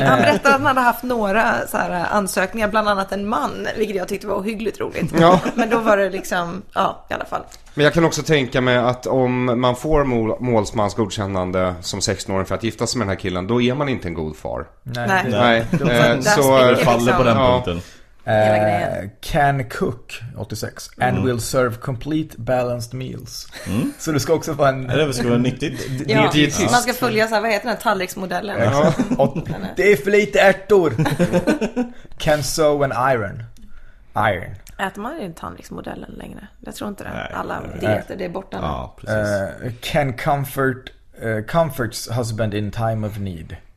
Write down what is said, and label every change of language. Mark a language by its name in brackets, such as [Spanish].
[Swedish] Han berättade att han hade haft några så här ansökningar, bland annat en man, vilket jag tyckte var ohyggligt roligt. Ja. Men då var det liksom, ja, i alla fall. Men jag kan också tänka mig att om man får målsmans godkännande som 16-åring för att gifta sig med den här killen, då är man inte en god far. Nej. Så det faller på den punkten. [English] Can cook 86 and will serve complete balanced meals. Mm. [Swedish] Så du ska också vara en nyttigt. Ja, man ska följa så här, vad heter den här tallriksmodellen. Det är för lite ärtor. [English] Can sew an iron. Iron. [Swedish] Äter man inte tallriksmodellen längre? Jag tror inte det. Nej, alla dieter, det är borta nu. Ja, [English] can comfort comforts husband in time of need.